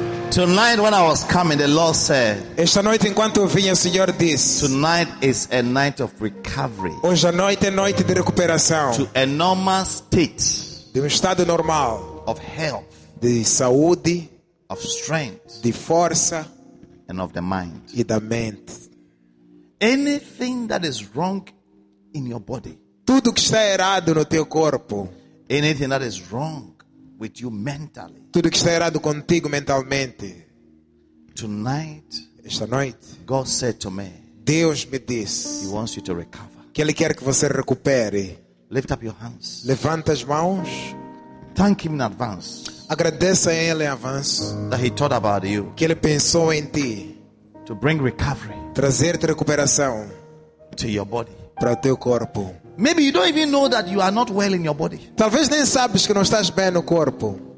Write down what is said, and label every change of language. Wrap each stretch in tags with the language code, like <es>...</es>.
<en>Tonight when I was coming, the Lord said.</en> <pt>Esta noite enquanto eu vinha, o Senhor disse.</pt> <en>Tonight is a night of recovery.</en> <pt>Hoje a noite é noite de recuperação.</pt> <en>To a normal state.</en> <pt>De um estado normal.</pt> <en>Of health.</en> <pt>De saúde.</pt> <en>Of strength.</en> <pt>De força.</pt> <en>And of the mind.</en> <pt>E da mente.</pt> <en>Anything that is wrong in your body.</en> <pt>Tudo que está errado no teu corpo.</pt> <en>Anything that is wrong with you mentally.</en> <pt>Tudo que está errado contigo mentalmente.</pt> <en>Tonight,</en> <pt>esta noite,</pt> <en>God said to me.</en> <pt>Deus me disse.</pt> <en>He wants you to recover.</en> <pt>Que ele quer que você recupere.</pt> <en>Lift up your hands.</en> <pt>Levanta as mãos.</pt> <en>Thank him in advance.</en> <pt>Agradeça a ele em avanço.</pt> <en>That he thought about you.</en> <pt>Que ele pensou em ti.</pt> <en>To bring recovery.</en> <pt>Trazer-te recuperação</pt> <en>to your body.</en> <pt>Para o teu corpo.</pt> <en>Maybe you don't even know that you are not well in your body.</en> <pt>Talvez nem sabes que não estás bem no corpo.</pt>